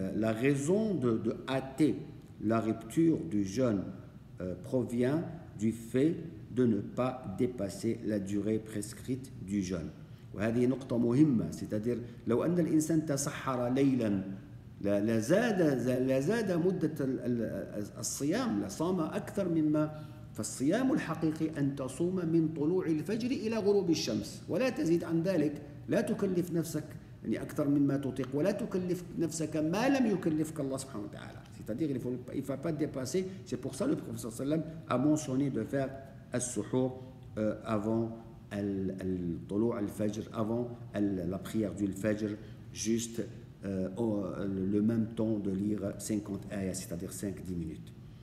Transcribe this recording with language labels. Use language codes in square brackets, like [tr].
[fr] La raison de hâter la rupture du jeûne provient du fait de ne pas dépasser la durée prescrite du jeûne. [ar] وهذه نقطة مهمة. [fr] C'est-à-dire [ar] لو أن الإنسان تسحر ليلا لزاد مدة الصيام لصام أكثر مما فالصيام الحقيقي أن تصوم من طلوع الفجر إلى غروب الشمس ولا تزيد عن ذلك. لا تكلف نفسك يعني أكثر مما تطيق ولا تكلف نفسك ما لم يكلفك الله سبحانه وتعالى. [fr] C'est-à-dire il faut pas dépasser. C'est pour ça le prophète صلى الله عليه وسلم a mentionné de faire السحور avant الطلوع الفجر avant la prière du الفجر juste le même temps de lire 50 ayats c'est-à-dire 5-10 minutes.